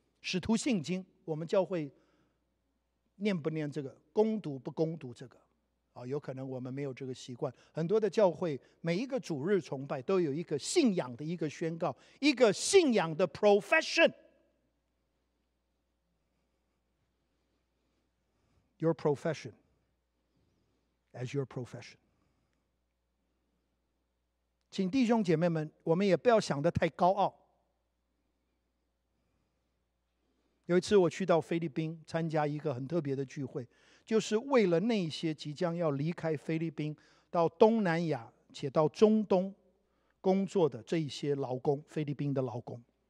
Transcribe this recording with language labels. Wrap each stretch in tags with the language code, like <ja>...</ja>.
<zh>使徒信经，我们教会念不念这个，攻读不攻读这个，有可能我们没有这个习惯。很多的教会每一个主日崇拜都有一个信仰的一个宣告，一个信仰的 profession。</zh> <en>Your profession as your profession.</en> <zh>请弟兄姐妹们，我们也不要想得太高傲。有一次我去到菲律宾参加一个很特别的聚会，就是为了那些即将要离开菲律宾到东南亚且到中东工作的这些劳工，菲律宾的劳工。</zh>